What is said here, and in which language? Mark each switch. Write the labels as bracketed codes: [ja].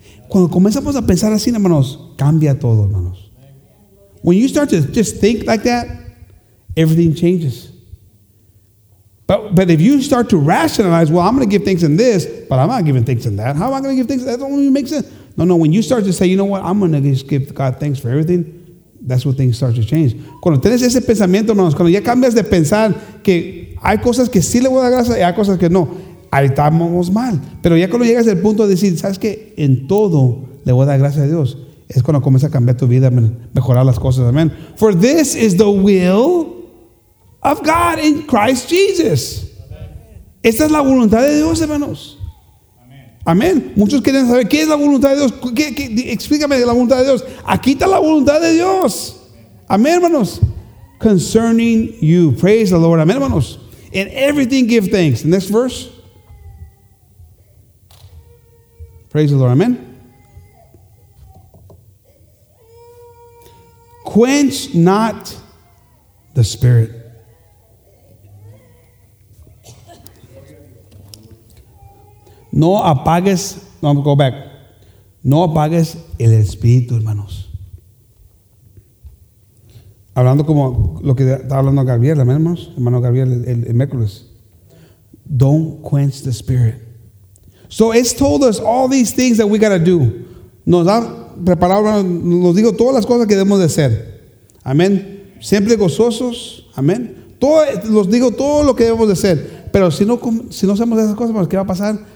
[es] Cuando comenzamos a pensar así, hermanos, cambia todo, hermanos. [en] When you start to just think like that, everything changes. But if you start to rationalize, well, I'm going to give thanks in this, but I'm not giving thanks in that. How am I going to give thanks? That don't even make sense. No. When you start to say, you know what? I'm going to just give God thanks for everything. That's when things start to change. [es] Cuando tienes ese pensamiento, hermanos, cuando ya cambias de pensar que hay cosas que sí le voy a dar gracias y hay cosas que no, ahí estamos mal. Pero ya cuando llegas al punto de decir, ¿sabes qué? En todo le voy a dar gracias a Dios. Es cuando comienza a cambiar tu vida, mejorar las cosas. [en] Amen. For this is the will of God in Christ Jesus. [es] Amen. Esta es la voluntad de Dios, hermanos. Amén. Muchos quieren saber qué es la voluntad de Dios. Explícame la voluntad de Dios. Aquí está la voluntad de Dios. Amén, hermanos. [en] Concerning you. Praise the Lord. [es] Amén, hermanos. [en] In everything give thanks. Next verse. Praise the Lord. Amén. Quench not the spirit. [es] No apagues, no, [en] I'm going to go back. [es] No apagues el espíritu, hermanos. Hablando como lo que está hablando Gabriel, hermanos. [en] Hermano Gabriel, [es] el miércoles. [en] Don't quench the spirit. So it's told us all these things that we got to do. [es] Nos ha preparado, nos dijo todas las cosas que debemos de hacer. Amén. Siempre gozosos. Amén. Los digo todo lo que debemos de hacer. Pero si no hacemos esas cosas, ¿qué va a pasar?